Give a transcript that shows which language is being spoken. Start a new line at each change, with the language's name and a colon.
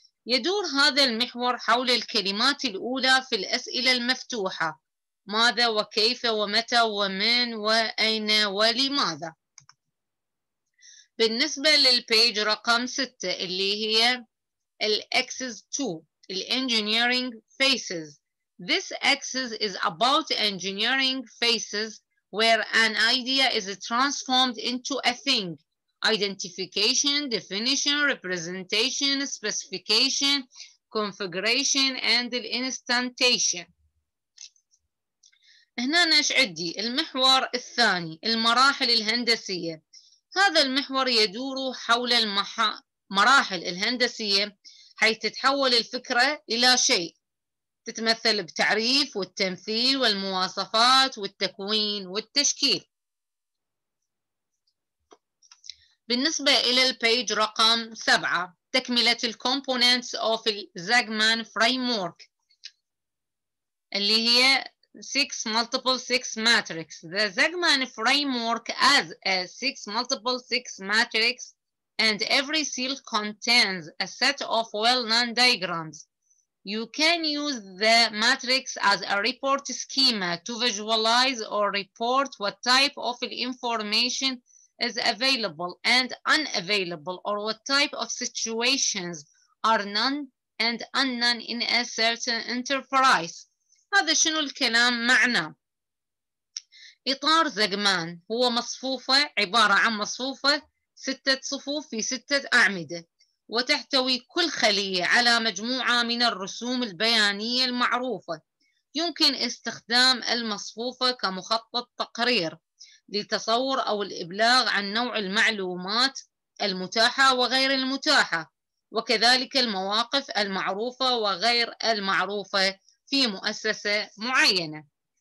Arabic: يدور هذا المحور حول الكلمات الأولى في الأسئلة المفتوحة ماذا وكيف ومتى ومن وأين ولماذا. بالنسبة للبيج رقم 6 اللي هي الأكسس 2 الانجينيرينج فيسز.
English: This axis is about engineering faces where an idea is transformed into a thing. Identification, definition, representation, specification, configuration, and instantiation.
Arabic: هنا نش عدي المحور الثاني المراحل الهندسية. هذا المحور يدور حول المراحل الهندسية حيث تتحول الفكرة إلى شيء تتمثل بتعريف والتمثيل والمواصفات والتكوين والتشكيل. بالنسبة إلى البيج رقم 7 تكملة الـ
English: Components of Zegman Framework
Arabic: اللي هي
English: 6 Multiple 6 Matrix. The Zegman Framework has a 6 Multiple 6 Matrix and every cell contains a set of well-known diagrams. You can use the matrix as a report schema to visualize or report what type of information is available and unavailable, or what type of situations are known and unknown in a certain enterprise.
Arabic: هذا شنو الكلام معنا؟ إطار زجمان هو مصفوفة عبارة عن مصفوفة ستة صفوف في ستة أعمدة، وتحتوي كل خلية على مجموعة من الرسوم البيانية المعروفة. يمكن استخدام المصفوفة كمخطط تقرير لتصور أو الإبلاغ عن نوع المعلومات المتاحة وغير المتاحة، وكذلك المواقف المعروفة وغير المعروفة في مؤسسة معينة.